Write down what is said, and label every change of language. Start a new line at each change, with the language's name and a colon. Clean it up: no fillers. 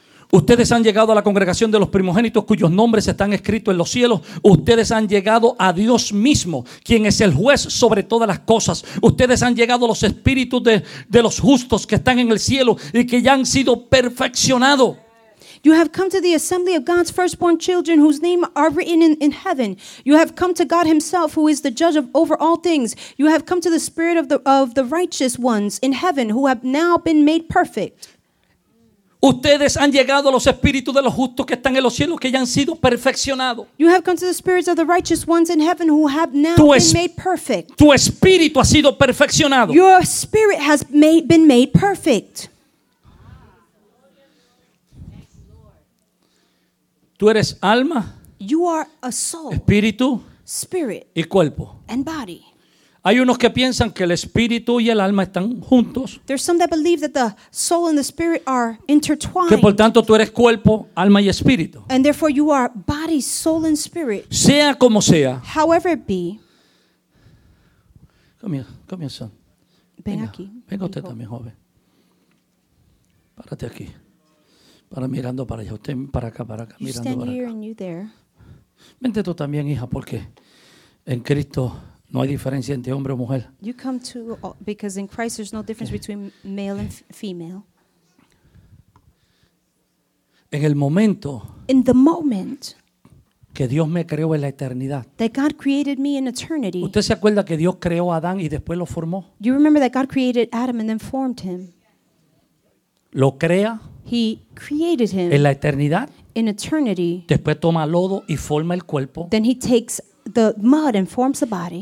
Spanish: Ustedes han llegado a la congregación de los primogénitos cuyos nombres están escritos en los cielos. Ustedes han llegado a Dios mismo, quien es el juez sobre todas las cosas. Ustedes han llegado a los espíritus de los justos que están en el cielo y que ya han sido perfeccionados.
English: You have come to the assembly of God's firstborn children whose names are written in heaven. You have come to God himself who is the judge of over all things. You have come to the spirit of the righteous ones in heaven who have now been made perfect.
Spanish: Ustedes han llegado a los espíritus de los justos que están en los cielos que ya han sido perfeccionados.
English: You have come to the spirits of the righteous ones in heaven who have now been made perfect.
Spanish: Tu espíritu ha sido perfeccionado.
English: Your spirit has been made perfect.
Spanish: Tú eres alma.
English: You are a soul.
Spanish: Espíritu.
English: Spirit.
Spanish: Y cuerpo.
English: And body.
Spanish: Hay unos que piensan que el espíritu y el alma están juntos.
English: There's some that believe that the soul and the spirit are intertwined.
Spanish: Que por tanto tú eres cuerpo, alma y espíritu.
English: And therefore you are body, soul and spirit.
Spanish: Sea como sea.
English: However it be. Come here, son.
Spanish: Ven aquí. Venga usted también, joven. Párate aquí. Para mirando para allá. Usted para acá.
English: You
Spanish: mirando
English: stand
Spanish: para
English: here
Spanish: acá.
English: And you there.
Spanish: Vente tú también, hija, porque en Cristo no hay diferencia entre hombre o mujer.
English: You come to because in Christ there's no difference between male and female.
Spanish: En el momento.
English: In the moment.
Spanish: Que Dios me creó en la eternidad.
English: That God created me in eternity.
Spanish: ¿Usted se acuerda que Dios creó a Adán y después lo formó?
English: You remember that God created Adam and then formed him.
Spanish: Lo crea.
English: He created him.
Spanish: En la eternidad.
English: In eternity.
Spanish: Después toma lodo y forma el cuerpo.
English: Then he takes the mud and forms the body.